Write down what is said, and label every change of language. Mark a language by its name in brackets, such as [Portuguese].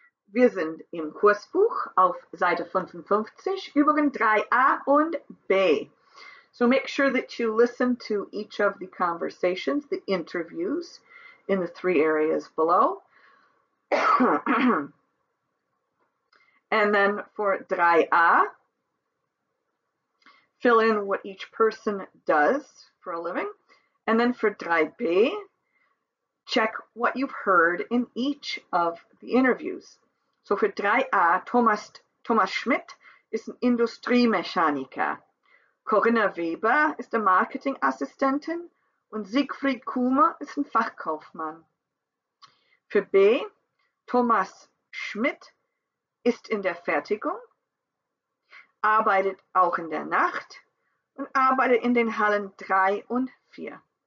[German] Wir sind im Kursbuch auf Seite 55, Übungen 3a und b. [English] So make sure that you listen to each of the conversations, the interviews in the three areas below. And then for 3a, fill in what each person does for a living. And then for 3b, check what you've heard in each of the interviews. So for 3a, [German] Thomas Schmidt ist ein Industriemechaniker. Corinna Weber ist eine Marketingassistentin und Siegfried Kuhmer ist ein Fachkaufmann. Für B, Thomas Schmidt ist in der Fertigung, arbeitet auch in der Nacht und arbeitet in den Hallen 3 und 4.